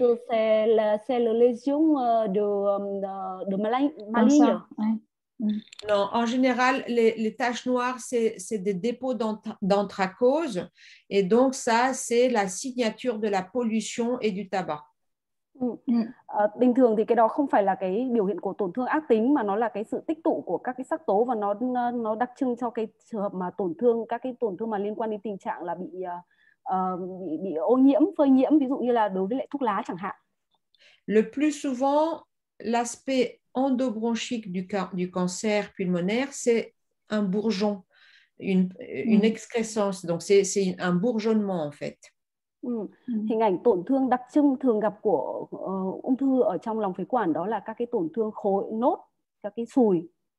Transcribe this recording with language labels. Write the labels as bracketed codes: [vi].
[fr] Est-ce que c'est la lésion de maligne? Ouais. Non, en général, les taches noires, c'est des dépôts d'anthracose. Et donc, ça, c'est la signature de la pollution et du tabac. [vi] Bình thường thì cái đó không phải là cái biểu hiện của tổn thương ác tính mà nó là cái sự tích tụ của các cái sắc tố và nó đặc trưng cho cái trường hợp mà tổn thương, các cái tổn thương mà liên quan đến tình trạng là bị ô nhiễm, phơi nhiễm, ví dụ như là đối với lại thuốc lá chẳng hạn. [fr] Le plus souvent, l'aspect endobronchique du cancer pulmonaire, c'est un bourgeon. une excrescence, donc c'est un bourgeonnement en fait. [vi] Hình ảnh tổn thương đặc trưng thường gặp của ung thư ở trong lòng phế quản đó là các cái tổn thương khối nốt, các cái sùi.